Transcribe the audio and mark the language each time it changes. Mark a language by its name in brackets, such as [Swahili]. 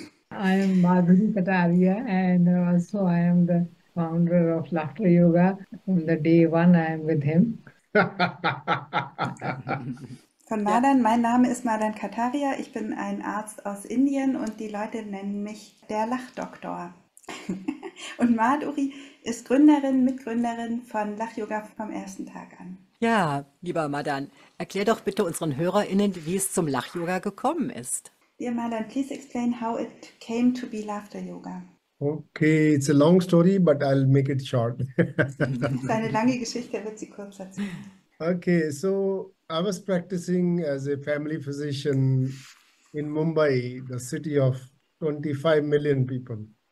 [English] I am Madhuri Kataria and also I am the founder of Laughter Yoga. From the day one, I am with him. [German] Von Madan, mein Name ist Madan Kataria. Ich bin ein Arzt aus Indien und die Leute nennen mich der Lachdoktor. Und Madhuri ist Gründerin, Mitgründerin von Lach Yoga vom ersten Tag an. Ja, lieber Madan, erklär doch bitte unseren HörerInnen, wie es zum Lach Yoga gekommen ist. [English] Dear Madan, please explain how it came to be Laughter Yoga. Okay, it's a long story, but I'll make it short. [German] Seine lange Geschichte wird sie kurz erzählen. [English] Okay, so I was practicing as a family physician in Mumbai, the city of 25 million people.